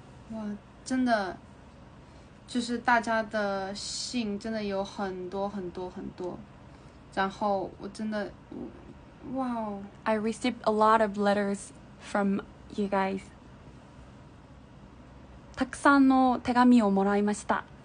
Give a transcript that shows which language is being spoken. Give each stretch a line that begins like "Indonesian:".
Chinese: 哇，真的，就是大家的信真的有很多很多很多，然后我真的，哇哦
English: ！I received a lot of letters from you guys.
Japanese: たくさんの手紙をもらいました。